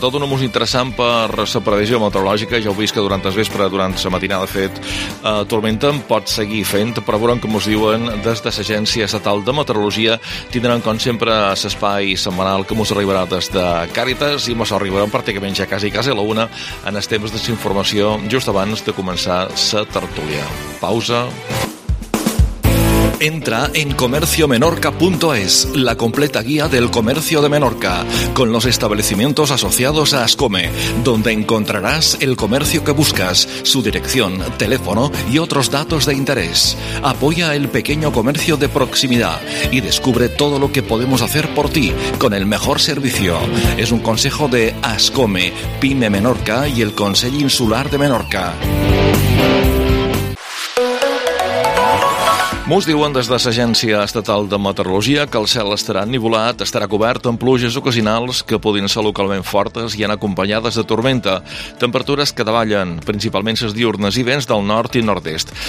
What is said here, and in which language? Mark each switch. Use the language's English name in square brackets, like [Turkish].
[Catalan] Tot un humus interessant per la previsió meteorològica. Ja heu vist que durant el vespre, durant la matinada, de fet, tormenta en pot seguir fent, però veurem com us diuen des de l'Agència Estatal de Meteorologia. Tindran, com sempre, l'espai setmanal que mos arribarà des de Càritas i mos arribarem pràcticament ja quasi, quasi a la una en els temps de s'informació just abans de començar la tertúlia. Pausa. [Spanish] Entra en comerciomenorca.es, la completa guía del comercio de Menorca, con los establecimientos asociados a Ascome, donde encontrarás el comercio que buscas, su dirección, teléfono y otros datos de interés. Apoya el pequeño comercio de proximidad y descubre todo lo que podemos hacer por ti con el mejor servicio. Es un consejo de Ascome, PYME Menorca y el Consejo Insular de Menorca. [Catalan] Mos diuen des de l'Agència Estatal de Meteorologia que el cel estarà ennivolat, estarà cobert amb pluges ocasionals que poden ser localment fortes i anar acompanyades de tormenta. Temperatures que davallen, principalment les diurnes i vents del nord i nord-est.